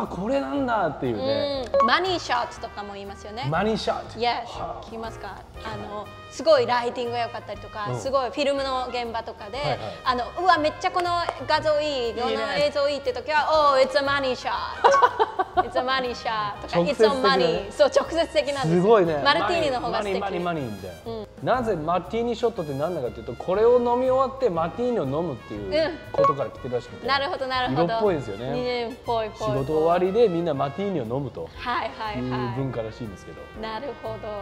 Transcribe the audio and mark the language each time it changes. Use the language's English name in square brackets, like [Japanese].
[Japanese] あ、これなんだっていうね。マニーショットとかも言いますよね。マニーショット。 Yes、聞きますか。あのすごいライティングが良かったりとか、うん、すごいフィルムの現場とかで、はいはい、あのうわめっちゃこの画像いい、この映像いいって時は、 [English] Oh, it's a money shot. It's a money shot. [Japanese] とか、ね、 [English] It's on money. [Japanese] そう直接的なんですよ。すごいね。マルティーニの方が素敵。マニーマニーマニーみたいな。うん、なぜマルティーニショットって何なのかというと、これを飲み終わってマルティーニを飲むっていうことから来てるらしくて、うん、なるほどなるほど。色っぽいですよね。ぽいぽいぽい。仕事終わりでみんなマルティーニを飲むという文化らしいんですけど。はいはいはい、なるほど。